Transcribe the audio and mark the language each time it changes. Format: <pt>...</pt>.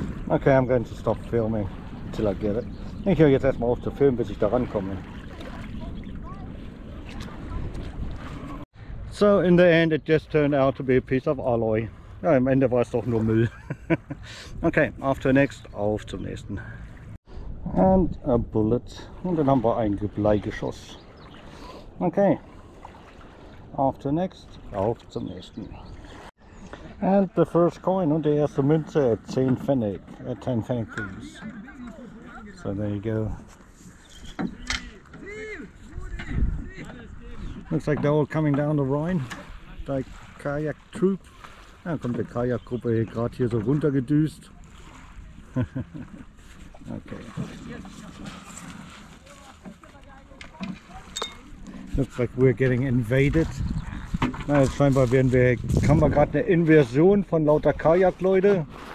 <en>Okay, I'm going to stop filming until I get it.</en> <de>Ich höre jetzt erstmal auf zu filmen, bis ich da rankomme.</de> <en>So, in the end, it just turned out to be a piece of alloy.</en> <de>Ja, im Ende war es doch nur Müll.</de> <en>Okay, after next,</en> <de>auf zum nächsten.</de> <en>And a bullet.</en> <de>Und dann haben wir ein Bleigeschoss. Okay, Auf zur nächsten. Auf zum nächsten.</de> <en>And the first coin</en> <de>und die erste Münze</de> <en>at 10 Pfennig. At 10 Pfennig, please. So there you go. Looks like they're all coming down the Rhine.</en> <de>Die Kajak Troop. Ja, kommt die Kajakgruppe hier gerade hier so runtergedüst. Okay.</de> <en>Looks like we're getting invaded.</en> <de>Na, jetzt scheinbar werden wir, haben wir gerade eine Inversion von lauter Kajak-Leute.</de>